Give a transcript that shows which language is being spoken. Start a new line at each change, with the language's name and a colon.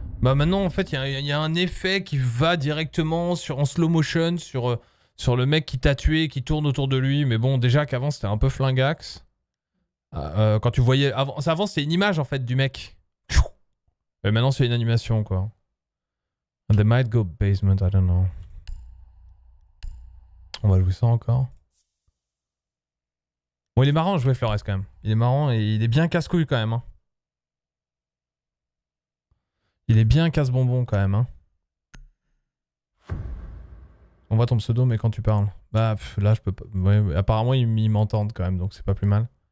French: Bah maintenant, en fait, il y a un effet qui va directement sur, en slow motion sur le mec qui t'a tué, qui tourne autour de lui. Mais bon, déjà qu'avant, c'était un peu flingax. Quand tu voyais... Avant, c'était une image, en fait, du mec. Et maintenant, c'est une animation, quoi.
English: And they might go basement, I don't know.
French: On va jouer ça encore. Bon, il est marrant de jouer Flores quand même. Il est marrant et il est bien casse-couille quand même. Hein. Il est bien casse-bonbon quand même. Hein. On voit ton pseudo, mais quand tu parles. Bah, là, je peux pas. Ouais, apparemment, ils m'entendent quand même, donc c'est pas plus mal.